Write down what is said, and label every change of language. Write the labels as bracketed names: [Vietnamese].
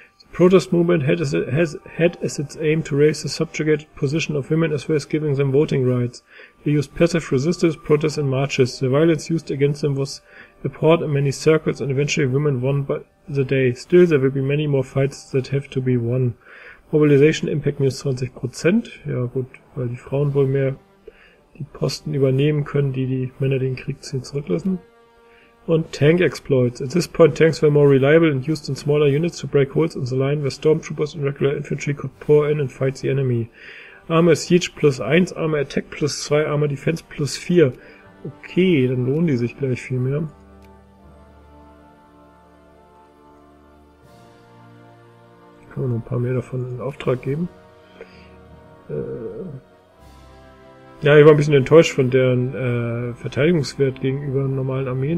[English] Protest movement had as its aim to raise the subjugated position of women as well as giving them voting rights. They used passive resistance, protests and marches. The violence used against them was abhorred in many circles and eventually women won by the day. Still, there will be many more fights that have to be won. Mobilization impact minus 20%. [German] Ja gut, weil die Frauen wohl mehr die Posten übernehmen können, die die Männer den Krieg ziehen zurücklassen. Und Tank Exploits. [English] At this point, tanks were more reliable and used in smaller units to break holes in the line where stormtroopers and regular infantry could pour in and fight the enemy. Armor Siege plus 1, Armor Attack plus 2, Armor Defense plus 4. [German] Okay, dann lohnen die sich gleich viel mehr. Können wir noch ein paar mehr davon in Auftrag geben. Ja, ich war ein bisschen enttäuscht von deren Verteidigungswert gegenüber normalen Armeen.